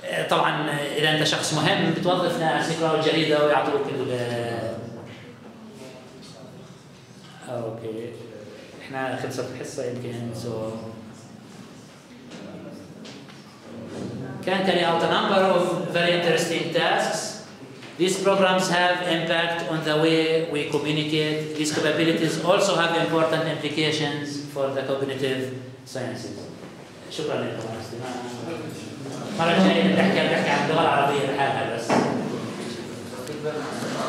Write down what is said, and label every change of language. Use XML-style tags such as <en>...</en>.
<ar>طبعا اذا انت شخص مهم بتوظف ناس يقراوا الجريدة ويعطوك ال اوكي احنا خلصت الحصة يمكن سو</ar> <en>Can carry out a number of very interesting tasks. These programs have impact on the way we communicate. These capabilities also have important implications for the cognitive sciences.</en> <ar>شكراً لكم على الاستماع. مرة جاية نحكي عن اللغة العربية لحالها بس.</ar>